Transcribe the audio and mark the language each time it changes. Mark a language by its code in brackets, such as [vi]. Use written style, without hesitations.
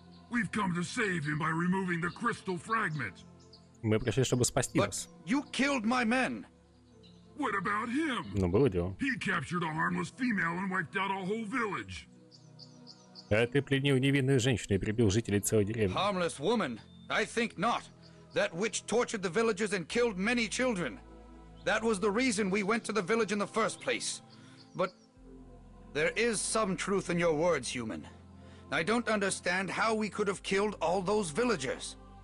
[en] We've come to save him by removing the crystal fragment. [ru] Мы пришли, чтобы спасти вас. [en] You killed my men. What about him? [ru] Ну, было дело. [en] He captured a harmless female and wiped out a whole village. [ru] А ты пленил невинную женщину и прибил жителей целой деревни. [en] Harmless woman? I think not. That witch tortured the villagers and killed many children. That was the reason we went to the village in the first place. But there is some truth in your words, human. I don't understand how we could have killed all those villagers.